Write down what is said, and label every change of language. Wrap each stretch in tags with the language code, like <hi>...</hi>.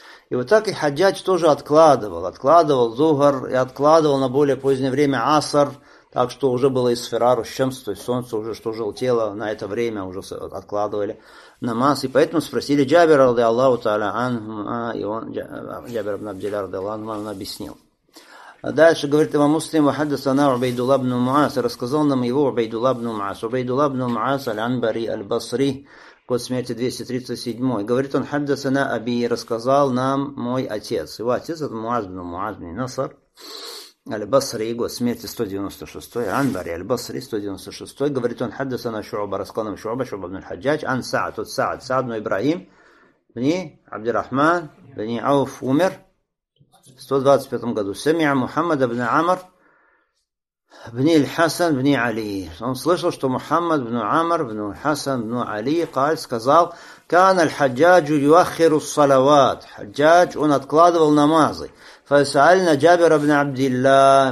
<ru>И вот так и хаджач тоже откладывал. Откладывал зухр и откладывал на более позднее время аср. Так что уже было и сферару щемс, то есть солнце уже что желтело на это время, уже откладывали намаз. И поэтому спросили Джабир ради Аллаху та'аля анхума, и он, Джабир ибн Абдилля ради Аллаху анхума, он объяснил. Дальше говорит имам Муслим,</ru> <ar>وحدثنا عبيد الله بن معاذ,</ar> <ru>рассказал нам его عبيد الله بن معاذ.</ru> <ar>عبيد الله بن معاذ العنبري البصري,</ar> <ru>год смерти 237. Говорит он,</ru> <ar>حدثنا أبي,</ar> <ru>рассказал нам мой отец. Его отец это Муаз бин Муаз бин Насар البصري, год смерти 196.</ru> <ar>العنبري البصري 196.</ar> <ru>Говорит он,</ru> <ar>حدثنا شعبة,</ar> <ru>рассказал нам شعبة, شعبة بن الحجاج, عن سعد, от سعد, سعد بن إبراهيم بن عبد الرحمن بن عوف, умер в 125 году. Семья Мухаммад ибн Амр ибн Хасан ибн Али. Он слышал, что Мухаммад ибн Амр ибн Хасан ибн Али сказал,</ru> <ar>«Кан аль-хаджаджу юахиру салават».</ar> <ru>Хаджадж, он откладывал намазы.</ru> <ar>«Фасаальна Джабир ибн Абдилла».</ar>